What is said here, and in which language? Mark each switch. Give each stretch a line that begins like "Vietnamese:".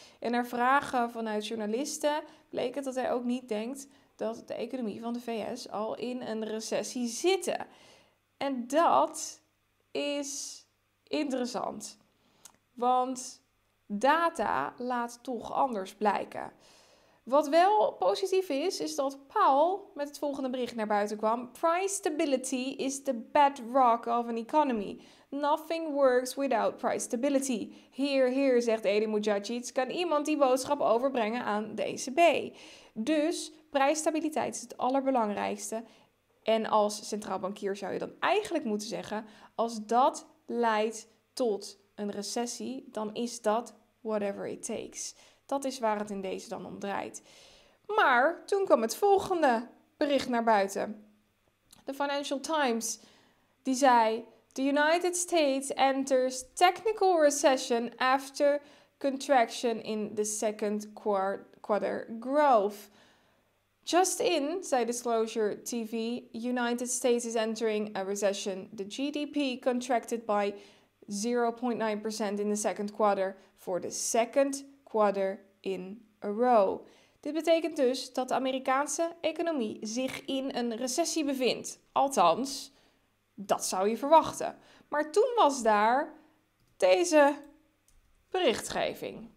Dutch: En er vragen vanuit journalisten bleek het dat hij ook niet denkt dat de economie van de VS al in een recessie zit. En dat is interessant. Want data laat toch anders blijken. Wat wel positief is, is dat Powell met het volgende bericht naar buiten kwam.
English: Price stability is the bedrock of an economy. Nothing works without price stability.
Dutch: Hier, hier, zegt Edi Mujadjic, kan iemand die boodschap overbrengen aan de ECB. Dus prijsstabiliteit is het allerbelangrijkste. En als centraal bankier zou je dan eigenlijk moeten zeggen, als dat leidt tot een recessie, dan is dat
English: whatever it takes.
Dutch: Dat is waar het in deze dan om draait. Maar toen kwam het volgende bericht naar buiten. De Financial Times, die zei...
English: The United States enters technical recession after contraction in the second quarter growth. Just in,
Dutch: zei
English: Disclosure TV, United States is entering a recession. The GDP contracted by 0.9% in the second quarter for the second quarter in a row.
Dutch: Dit betekent dus dat de Amerikaanse economie zich in een recessie bevindt. Althans, dat zou je verwachten. Maar toen was daar deze berichtgeving.